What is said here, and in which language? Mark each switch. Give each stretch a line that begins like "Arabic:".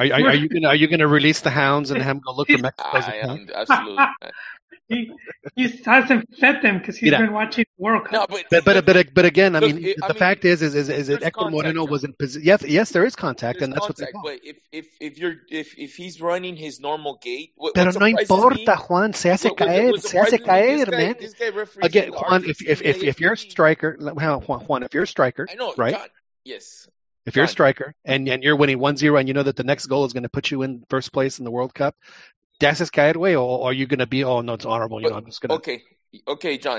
English: Are you gonna release the hounds and have him go look for Mexico? I am absolutely. he hasn't fed them because he's been watching the World Cup. No, but again, look, the fact is Hector Moreno was in position. Yes, there is contact, and that's what they call. But if he's running his normal gait,
Spanish: pero no importa, Juan, se hace caer, man.
English: Again, Juan, if you're a striker, Juan, if you're a striker, right? Yes. If you're a striker and you're winning 1-0 and you know that the next goal is going to put you in first place in the World Cup, das ist geil way, or are you going to be, oh, no, it's honorable. But, I'm just going to. Okay, John.